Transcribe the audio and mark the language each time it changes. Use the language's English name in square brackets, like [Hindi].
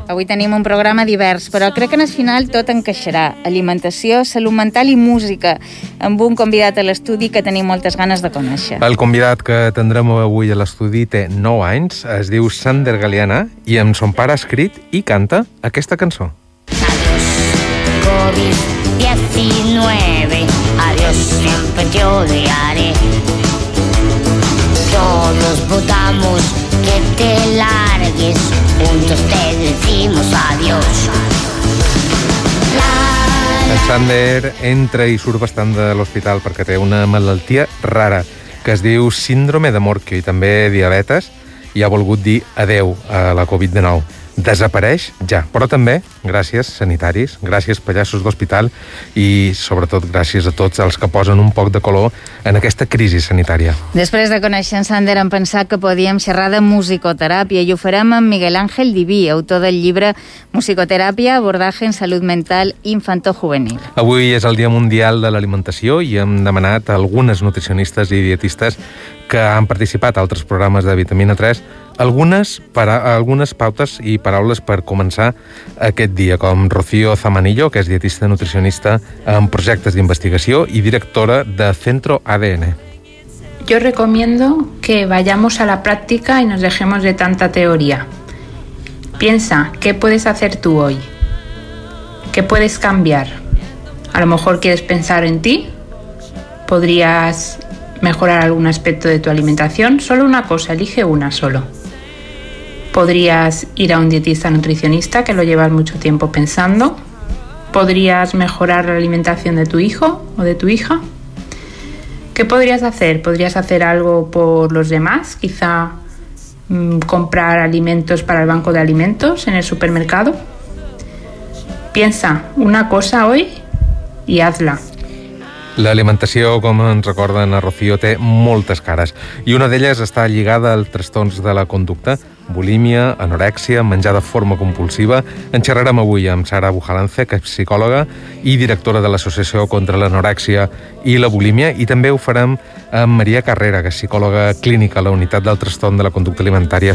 [Catalan] Avui tenim un programa divers, però crec que en el final tot encaixarà. Alimentació, salut mental i música, amb un convidat a l'estudi que tenim moltes ganes de conèixer. El convidat que tindrem avui a l'estudi té 9 anys, es diu Sander Galiana, i amb son pare ha escrit i canta aquesta cançó. [Spanish] COVID-19, adiós, siempre te odiaré. Todos votamos que te largues, juntos te decimos adiós. [Catalan] El Sander entra i surt bastant de l'hospital perquè té una malaltia rara que es diu síndrome de Morquio i també diabetes, i ha volgut dir adeu a la Covid-19. Desapareix ja, però també gràcies sanitaris, gràcies pallassos d'hospital i sobretot gràcies a tots els que posen un poc de color en aquesta crisi sanitària. Després de conèixer en Sander, hem pensat que podíem xerrar de musicoterapia i ho farem amb Miguel Ángel Diví, autor del llibre Musicoterapia, abordatge en salut mental infantojuvenil. Avui és el Dia Mundial de l'Alimentació i hem demanat a algunes nutricionistes i dietistes que han participat a altres programes de Vitamina 3 algunes pautes i paraules per començar aquest dia, com Rocío Zamanillo, que és dietista nutricionista amb projectes d'investigació i directora de Centro ADN. [Spanish] Yo recomiendo que vayamos a la práctica y nos dejemos de tanta teoría. Piensa, ¿qué puedes hacer tú hoy? ¿Qué puedes cambiar? A lo mejor quieres pensar en ti, podrías mejorar algún aspecto de tu alimentación, solo una cosa, elige una solo. Podrías ir a un dietista nutricionista, que lo llevas mucho tiempo pensando. Podrías mejorar la alimentación de tu hijo o de tu hija. ¿Qué podrías hacer? ¿Podrías hacer algo por los demás? Quizá comprar alimentos para el banco de alimentos en el supermercado. Piensa una cosa hoy y hazla. [Catalan] L'alimentació, com ens recorden a Rocío, té moltes cares. I una d'elles està lligada als trastorns de la conducta, bulímia, anorèxia, menjar de forma compulsiva. En xerrarem avui amb Sara Bujalance, que és psicòloga i directora de l'Associació contra l'Anorèxia i la Bulímia, i també ho farem amb Maria Carrera, que és psicòloga clínica a la Unitat del Trastorn de la Conducta Alimentària.